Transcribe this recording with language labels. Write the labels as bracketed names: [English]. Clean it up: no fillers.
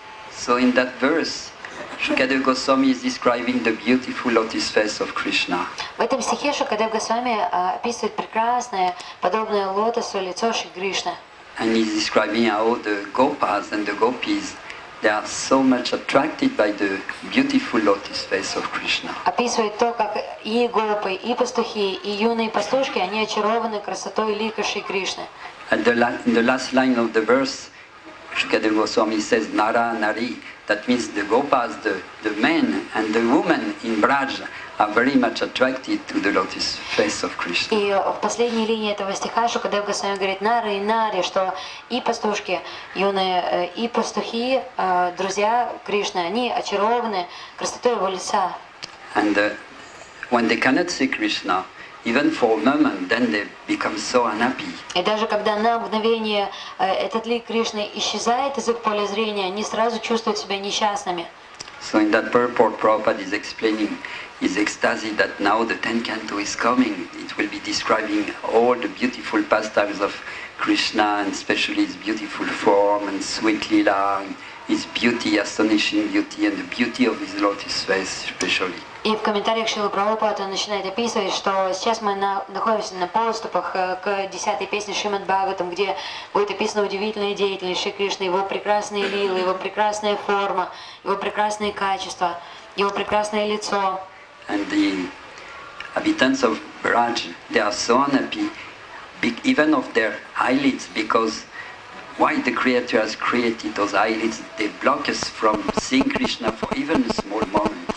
[English] So in that verse, Shukadeva Goswami is describing the beautiful lotus face of Krishna. [Russian] В этом стихе Шукадев Госвами описывает прекрасное подобное лотосу лицо Шри Кришны. [English] And he's describing how the gopas and the gopis they are so much attracted by the beautiful lotus face of Krishna. [Russian] Описывает то, как и гопы, и пастухи, и юные пастушки, они очарованы красотой лика Шри Кришны. [English] And in the last line of the verse, Shukadev Goswami says Nara Nari. That means the gopas, the men and the women in Braj are very much attracted to the lotus face of Krishna. [Russian] И в последней линии этого стиха Шукадев Госвами говорит Нара и Нари, что и пастушки, юные, и пастухи, друзья Кришны, они очарованы красотой его лица. [English] And when they cannot see Krishna, even for a moment, then they become so unhappy. [Russian] И даже когда на мгновение этот лик Кришны исчезает из их поля зрения, они сразу чувствуют себя несчастными. [English] So in that purport, Prabhupada is explaining his ecstasy that now the 10th canto is coming. It will be describing all the beautiful pastimes of Krishna, and especially his beautiful form and sweet lila, his beauty, astonishing beauty, and the beauty of his lotus face, especially. [Russian] И в комментариях Шрилы Прабхупады он начинает описывать, что сейчас мы находимся на подступах к десятой песне Шримад Бхагаватам, где будет описана удивительная деятельность Шри Кришны, его прекрасные лилы, его прекрасная форма, его прекрасные качества, его прекрасное лицо. [English] And the habitants of Braj, they are so unhappy, even of their eyelids, because why the Creator has created those eyelids, they block us from seeing Krishna for even a small moment.